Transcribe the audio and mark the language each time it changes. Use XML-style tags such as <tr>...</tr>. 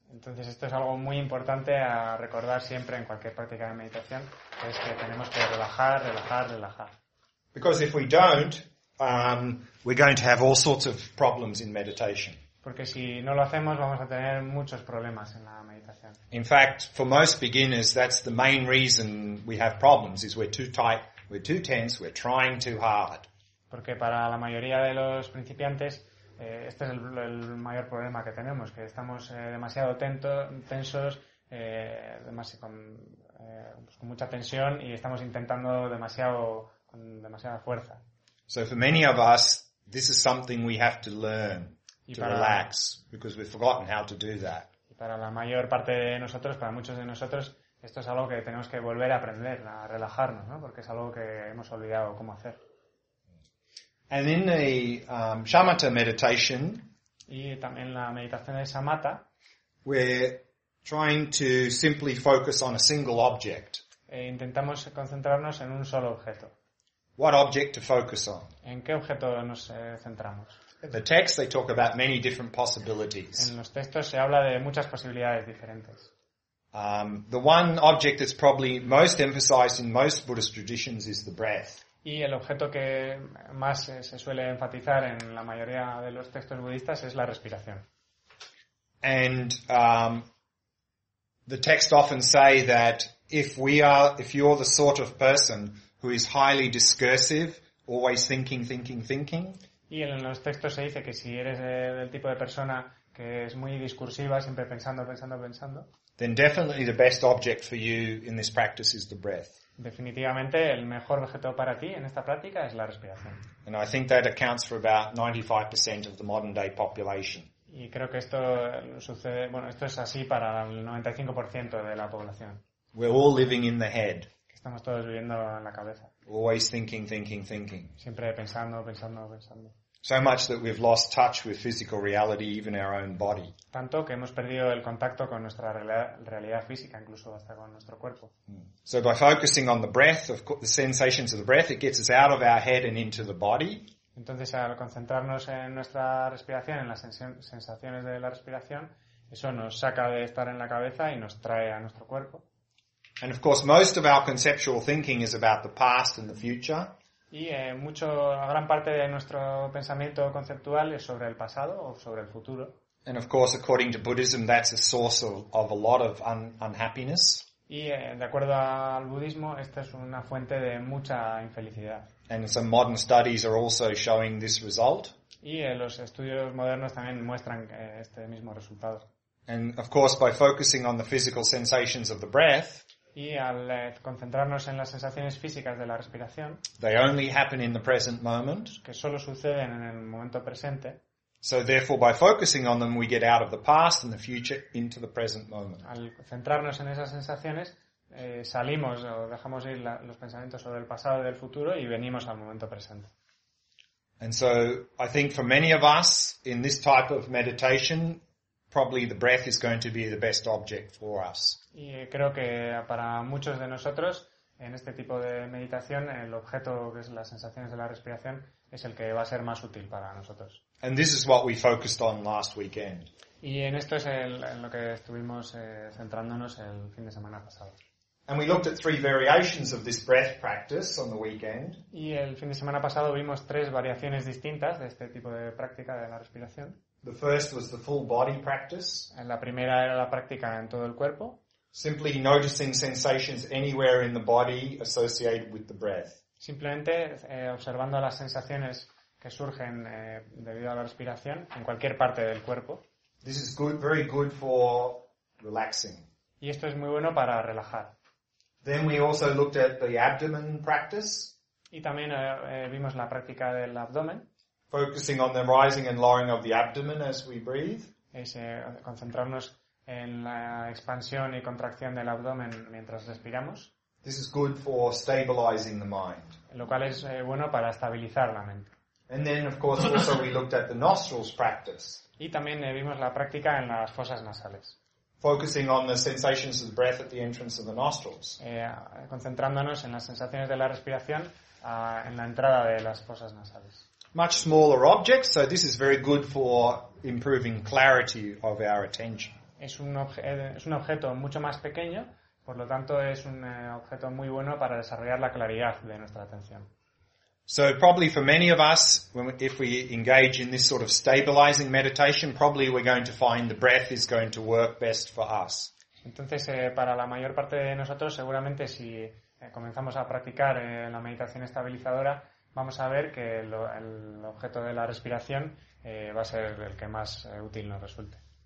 <es>Entonces esto es algo muy importante a recordar siempre en cualquier práctica de meditación, es que tenemos que relajar, relajar, relajar.</es> <en>Because if we don't, we're going to have all sorts of problems in meditation.</en> <es>Porque si no lo hacemos vamos a tener muchos problemas en la meditación.</es> <en>In fact, for most beginners, that's the main reason we have problems, is we're too tight, we're too tense, we're trying too hard.</en> <es>Porque para la mayoría de los principiantes este es el mayor problema que tenemos, que estamos demasiado tensos, con mucha tensión y estamos intentando demasiado con demasiada fuerza.</es> <en>So for many of us this is something we have to learn to relax because we've forgotten how to do that.</en> <es>Y para la mayor parte de nosotros, para muchos de nosotros, esto es algo que tenemos que volver a aprender, a relajarnos, ¿no? Porque es algo que hemos olvidado cómo hacer.</es> <en>And in the shamatha meditation,</en> <es>y también la meditación de shamatha,</es> <en>we're trying to simply focus on a single object.</en> <es>E intentamos concentrarnos en un solo objeto.</es> <en>What object to focus on?</en> <es>¿En qué objeto nos centramos?</es> <en>In the text they talk about many different possibilities.</en> <es>En los textos se habla de muchas posibilidades diferentes.</es> <en>The one object that's probably most emphasized in most Buddhist traditions is the breath.</en> <es>Y el objeto que más se suele enfatizar en la mayoría de los textos budistas es la respiración.</es> <en>And the texts often say that if you're the sort of person who is highly discursive, always thinking.</en> <es>Y en los textos se dice que si eres del tipo de persona que es muy discursiva, siempre pensando.</es> <en>Then definitely the best object for you in this practice is the breath.</en> <es>Definitivamente el mejor objeto para ti en esta práctica es la respiración.</es> <en>And I think that accounts for about 95% of the modern day population.</en> <es>Y creo que esto sucede, bueno, esto es así para el 95% de la población.</es> <en>We're all living in the head.</en> <es>Estamos todos viviendo en la cabeza.</es> <en>Always thinking.</en> <es>Siempre pensando.</es> <en>So much that we've lost touch with physical reality, even our own body.</en> <es>Tanto que hemos perdido el contacto con nuestra realidad física, incluso hasta con nuestro cuerpo.</es> <en>So by focusing on the breath, of course, the sensations of the breath, it gets us out of our head and into the body.</en> <es>Entonces, al concentrarnos en nuestra respiración, en las sensaciones de la respiración, eso nos saca de estar en la cabeza y nos trae a nuestro cuerpo.</es> <en>And of course, most of our conceptual thinking is about the past and the future.</en> <es>Y la gran parte de nuestro pensamiento conceptual es sobre el pasado o sobre el futuro.</es> <en>And of course, according to Buddhism, that's a source of a lot of unhappiness.</en> <es>Y de acuerdo al budismo, esta es una fuente de mucha infelicidad.</es> <en>And some modern studies are also showing this result.</en> <es>Y los estudios modernos también muestran este mismo resultado.</es> <en>And of course, by focusing on the physical sensations of the breath.</en> <es>Y al concentrarnos en las sensaciones físicas de la respiración.</es> <en>They only happen in the present moment.</en> <es>Que solo suceden en el momento presente.</es> <en>So therefore, by focusing on them, we get out of the past and the future into the present moment.</en> <es>Al centrarnos en esas sensaciones. Salimos o dejamos ir los pensamientos sobre el pasado y del futuro y venimos al momento presente.</es> <en>And so I think for many of us in this type of meditation, probably the breath is going to be the best object for us.</en> <es>Y creo que para muchos de nosotros en este tipo de meditación el objeto que es las sensaciones de la respiración es el que va a ser más útil para nosotros.</es> <en>And this is what we focused on last weekend.</en> <es>Y en esto es en lo que estuvimos centrándonos el fin de semana pasado.</es> <en>And we looked at three variations of this breath practice on the weekend.</en> <es>Y el fin de semana pasado vimos tres variaciones distintas de este tipo de práctica de la respiración.</es> <en>The first was the full body practice.</en> <es>En la primera era la práctica en todo el cuerpo.</es> <en>Simply noticing sensations anywhere in the body associated with the breath.</en> <es>Simplemente observando las sensaciones que surgen debido a la respiración en cualquier parte del cuerpo.</es> <en>This is good, very good for relaxing.</en> <es>Y esto es muy bueno para relajar.</es> <en>Then we also looked at the abdomen practice.</en> <es>Y también vimos la práctica del abdomen.</es> <en>Focusing on the rising and lowering of the abdomen as we breathe.</en> <es>Es concentrarnos en la expansión y contracción del abdomen mientras respiramos.</es> <en>This is good for stabilizing the mind.</en> <es>Lo cual es bueno para estabilizar la mente.</es> <en>And then of course also we looked at the nostrils practice.</en> <es>Y también vimos la práctica en las fosas nasales.</es> <en>Focusing on the sensations of the breath at the entrance of the nostrils.</en> <es>Concentrándonos en las sensaciones de la respiración en la entrada de las fosas nasales.</es> <en>Much smaller objects, so this is very good for improving clarity of our attention.</en> <es>Es un objeto mucho más pequeño, por lo tanto es un objeto muy bueno para desarrollar la claridad de nuestra atención.</es> <en>So probably for many of us, if we engage in this sort of stabilizing meditation, probably we're going to find the breath is going to work best for us.</en> <es>Entonces, para la mayor parte de nosotros, seguramente si comenzamos a practicar la meditación estabilizadora, vamos a ver que el objeto de la respiración va a ser el que más útil nos resulte.</es>